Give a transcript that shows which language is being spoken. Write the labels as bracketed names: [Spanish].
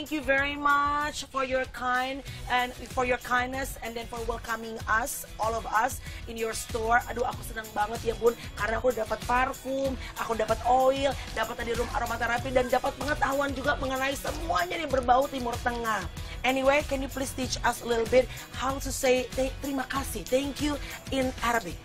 [English] Thank you very much for your kind and for your kindness and then for welcoming us, all of us in your store. [Indonesian] Aduh aku senang banget ya Bun, karena aku dapat parfum, aku dapat oil, dapat tadi room aromaterapi dan dapat pengetahuan juga mengenai semuanya yang berbau Timur Tengah. [English] Anyway, can you please teach us a little bit how to say [Indonesian] terima kasih, [English] thank you in Arabic?